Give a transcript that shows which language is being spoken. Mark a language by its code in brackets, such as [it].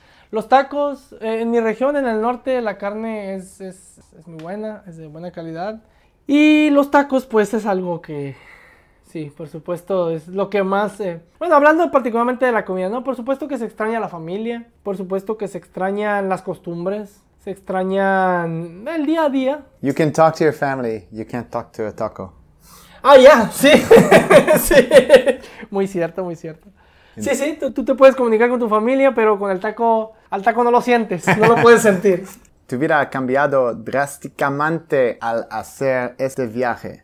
[es] Los tacos, en mi región, en el norte, la carne es muy buena, es de buena calidad. Y los tacos, pues, es algo que, sí, por supuesto, es lo que más... Bueno, hablando particularmente de la comida, ¿no? Por supuesto que se extraña la familia, por supuesto que se extrañan las costumbres, se extrañan el día a día. [en] You can talk to your family, you can't talk to a taco. [es] Ah, ya, yeah, sí. Sí, muy cierto, muy cierto. Sí, sí, tú te puedes comunicar con tu familia, pero con el taco, al taco no lo sientes, no lo puedes sentir. Tu vida ha cambiado drásticamente al hacer este viaje.